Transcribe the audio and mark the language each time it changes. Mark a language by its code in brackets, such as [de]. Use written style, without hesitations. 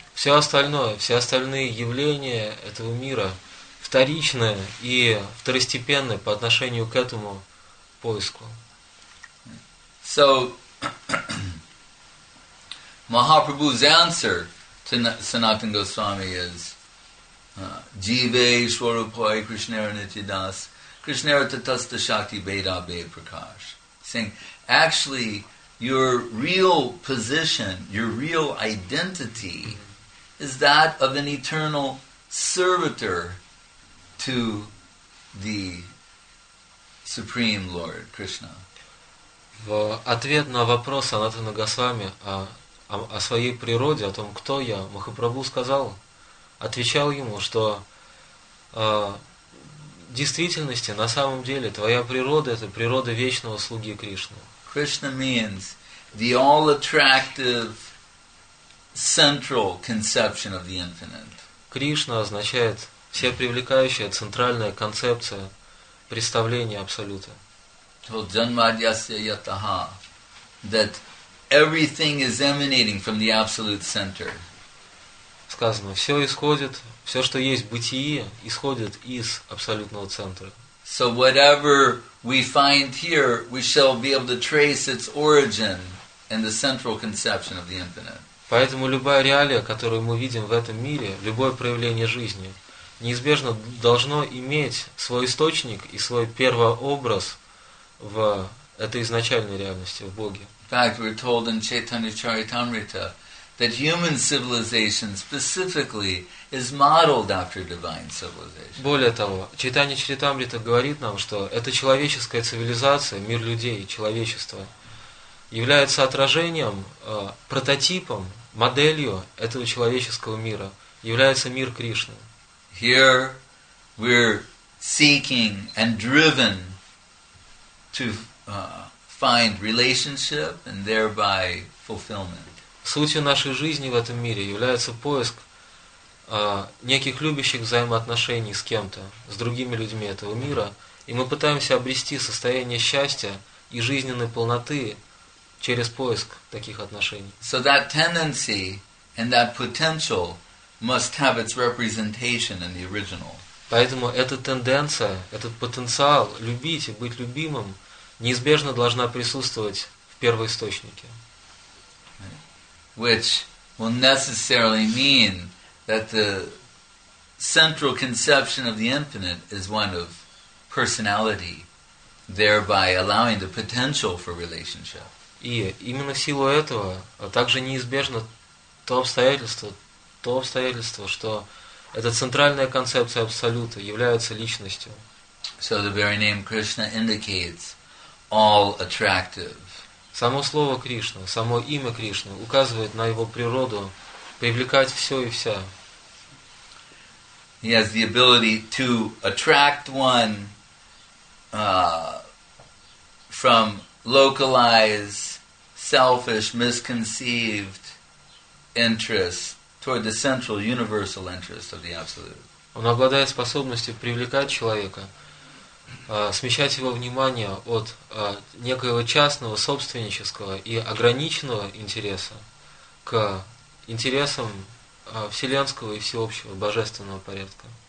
[ru] Все остальное, все остальные явления этого мира вторичны и второстепенны по отношению к этому поиску. [en] So, Mahaprabhu's answer to Sanatana Goswami is [sa] Jive Swarupoi Krishnara Nityadas Krishnara Tatasta Shakti Beda Be Prakash. [en] Saying, actually, your real position, your real identity is that of an eternal servitor to the Supreme Lord Krishna. [ru] В ответ на вопрос Анатана Госвами о своей природе, о том, кто я, Махапрабху сказал, отвечал ему, что в действительности, на самом деле, твоя природа – это природа вечного слуги Кришны. [en] Krishna means the all-attractive central conception of the infinite. [ru] Кришна означает все привлекающая центральная концепция представления Абсолюта. [en] That everything is emanating from the absolute center. [ru] Сказано, все исходит, все, что есть в бытии, исходит из Абсолютного центра. [en] So whatever we find here, we shall be able to trace its origin in the central conception of the infinite. [ru] Поэтому любая реалия, которую мы видим в этом мире, любое проявление жизни, неизбежно должно иметь свой источник и свой первообраз в этой изначальной реальности, в Боге. [en] In fact, we're told in Chaitanya Charitamrita that human civilization specifically is modeled after divine civilization. [ru] Более того, Чайтанья Чаритамрита говорит нам, что эта человеческая цивилизация, мир людей, человечество, является отражением, прототипом, моделью этого человеческого мира, является мир Кришны. [en] Here we're seeking and driven to find relationship and thereby fulfillment. [ru] Сутью нашей жизни в этом мире является поиск неких любящих взаимоотношений с кем-то, с другими людьми этого мира, и мы пытаемся обрести состояние счастья и жизненной полноты через поиск таких отношений. [en] So that tendency and that potential must have its representation in the original. [ru] Поэтому эта тенденция, этот потенциал любить и быть любимым неизбежно должна присутствовать в первоисточнике. [en] Which will necessarily mean that the central conception of the infinite is one of personality, thereby allowing the potential for relationship. [ru] И именно в силу этого также неизбежно то обстоятельство, что эта центральная концепция Абсолюта является личностью. [en] So the very name Krishna indicates all attractive. [ru] Само слово Кришна, само имя Кришны указывает на его природу привлекать все и вся. [en] He has the ability to attract one from localized, selfish, misconceived interests toward the central universal interest of the Absolute. [ru] Он обладает способностью привлекать человека смещать его внимание от некоего частного, собственнического и ограниченного интереса к интересам вселенского и всеобщего, божественного порядка.